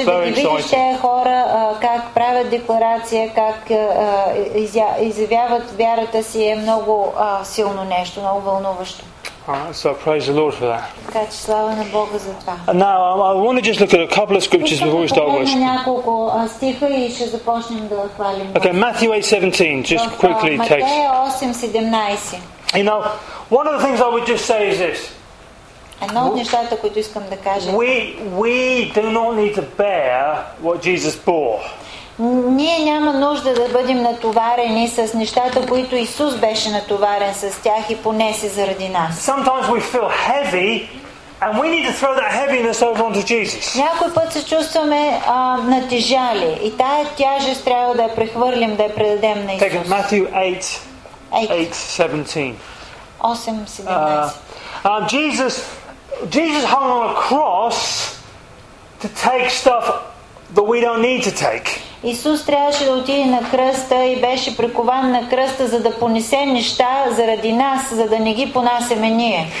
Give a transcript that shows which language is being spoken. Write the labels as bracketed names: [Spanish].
[Bulgarian] Така че да ги видиш тези хора как правят декларация, как изявяват вярата си, е много силно нещо, много вълнуващо. [English] So praise the Lord for that. [Bulgarian] Така че слава на Бога за това. [English] Now I want to just look at a couple of scriptures before we start worshiping. [Bulgarian] Няколко стиха и ще започнем да хвалим. [English] Okay, Matthew 8:17, just quickly [Bulgarian] text. Матей 8:17. [English] You know, one of the things I would just say is this. [Bulgarian] Едно от нещата, които искам да кажа. [English] We do not need to bear what Jesus bore. [Bulgarian] Ние няма нужда да бъдем натоварени с нещата, които Исус беше натоварен с тях и понесе заради нас. [English] Sometimes we feel heavy and we need to throw that heaviness over onto Jesus. [Bulgarian] Някой път се чувстваме натежали и тая тежест трябва да я прехвърлим, да я предадем на Исус. [English] Take it, Matthew 8:17. Jesus hung on a cross to take stuff that we don't need to take. [Bulgarian] Исус трябваше да отиде на кръста и беше прикован на кръста, за да понесе неща заради нас, за да не ги понасеме ние.